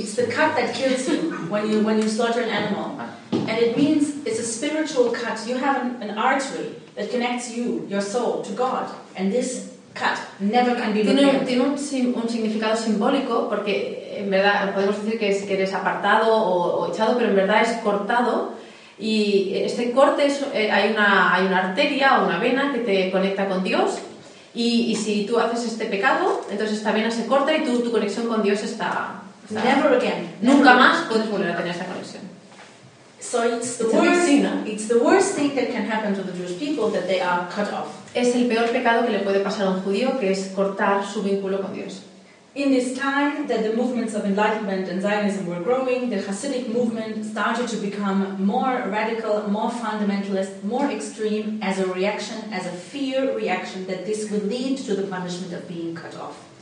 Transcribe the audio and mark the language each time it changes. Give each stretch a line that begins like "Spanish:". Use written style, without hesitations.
English: It's the cut that kills you when you slaughter an animal. And it means it's a spiritual cut. You have an artery that connects you, your soul, to God. And this cut never can be repaired.
Spanish: Tiene un significado simbólico porque en verdad podemos decir que es que eres apartado o echado, pero en verdad es cortado. Y este corte es hay una arteria o una vena que te conecta con Dios. Y si tú haces este pecado, entonces esta vena se corta y tu conexión con Dios está
English: never again.
Spanish: Nunca más puedes volver a tener esa conexión.
English: So it's the worst thing that can happen to the Jewish people that they are cut off.
Spanish: Es el peor pecado que le puede pasar a un judío, que es cortar su vínculo con Dios.
English: In this time that the movements of enlightenment and Zionism were growing, the Hasidic movement started to become more radical, more fundamentalist, more extreme as a reaction, as a fear reaction that this would lead to the punishment of being cut off.